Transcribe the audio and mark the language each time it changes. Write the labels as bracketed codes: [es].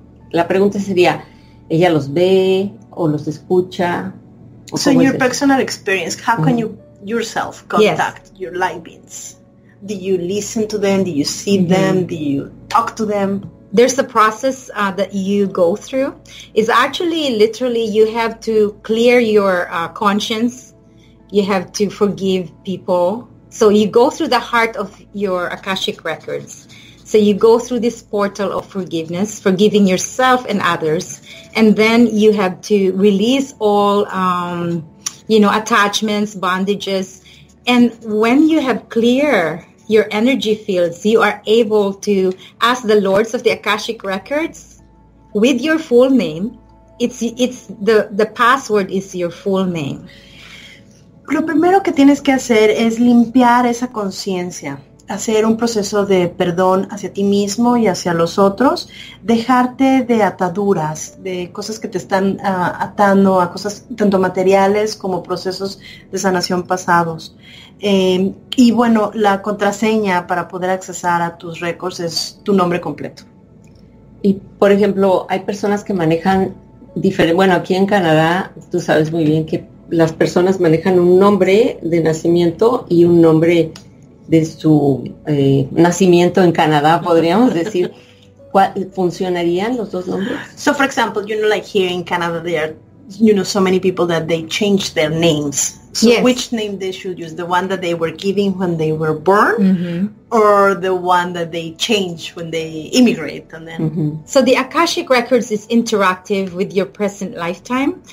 [es] La pregunta sería, ¿ella los ve o los escucha? [en] So in your personal experience, how can you yourself contact your light beings? Do you listen to them? Do you see them? Do you talk to them? There's a process that you go through. It's actually literally you have to clear your conscience. You have to forgive people. So you go through the heart of your Akashic Records. So you go through this portal of forgiveness, forgiving yourself and others. And then you have to release all, attachments, bondages. And when you have clear your energy fields, you are able to ask the Lords of the Akashic Records with your full name. It's the password is your full name. [es] Lo primero que tienes que hacer es limpiar esa conciencia, hacer un proceso de perdón hacia ti mismo y hacia los otros, dejarte de ataduras, de cosas que te están atando a cosas tanto materiales como procesos de sanación pasados. Y bueno, la contraseña para poder accesar a tus récords es tu nombre completo. Y por ejemplo, hay personas que manejan diferente, bueno, aquí en Canadá tú sabes muy bien que las personas manejan un nombre de nacimiento y un nombre de su nacimiento en Canadá, podríamos decir. ¿Funcionarían los dos nombres? [en] So, for example, you know, like here in Canada, there are, you know, so many people that they change their names. So yes. Which name they should use, the one that they were given when they were born, or the one that they change when they immigrate, and then. Mm-hmm. So the Akashic Records is interactive with your present lifetime.